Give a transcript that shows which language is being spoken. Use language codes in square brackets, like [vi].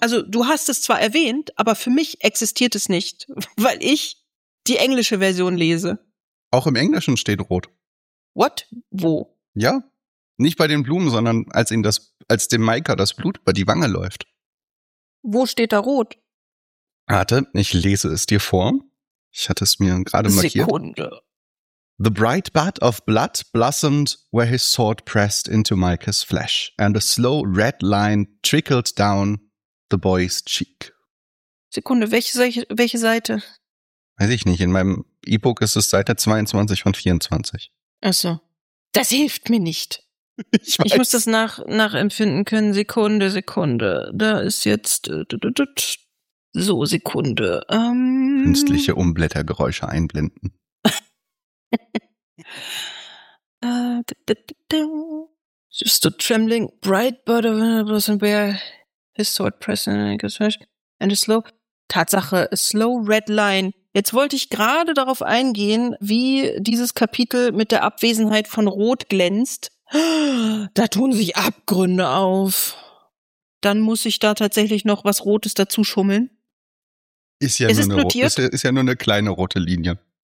[de] Also du hast es zwar erwähnt, aber für mich existiert es nicht, weil ich die englische Version lese. Auch im Englischen steht Rot. [en] What? [de] Wo? Ja, nicht bei den Blumen, sondern als dem Maika das Blut über die Wange läuft. Wo steht da rot? Warte, ich lese es dir vor. Ich hatte es mir gerade markiert. Sekunde. [en] The bright bud of blood blossomed where his sword pressed into Maika's flesh and a slow red line trickled down the boy's cheek. [de] Sekunde, welche Seite? Weiß ich nicht. In meinem E-Book ist es Seite 22 von 24. Ach so. Das hilft mir nicht. Ich muss das nachempfinden können. Sekunde, Sekunde. Da ist jetzt so, Sekunde. Künstliche Umblättergeräusche einblenden. [en] Just a trembling, bright bird of a blossom bear. His sword pressing and a slow. [de] Tatsache, [en] a slow red line. [de] Jetzt wollte ich gerade darauf eingehen, wie dieses Kapitel mit der Abwesenheit von Rot glänzt. Da tun sich Abgründe auf. Dann muss ich da tatsächlich noch was Rotes dazu schummeln. Ist ja nur eine kleine rote Linie.